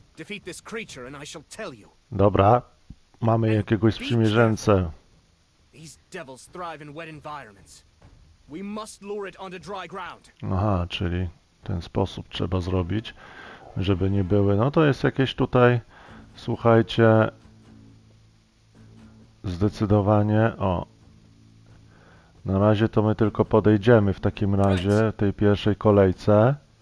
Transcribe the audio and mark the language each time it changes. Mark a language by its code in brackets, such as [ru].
[en] Defeat this creature and I shall tell you. [pl] Dobra. Mamy jakiegoś sprzymierzęcę. [en] These devils thrive in wet environments. We must lure it onto dry ground. [pl] Aha, czyli ten sposób trzeba zrobić, żeby nie były. No to jest jakieś tutaj, słuchajcie, zdecydowanie. O, na razie to my tylko podejdziemy w takim razie tej pierwszej kolejce.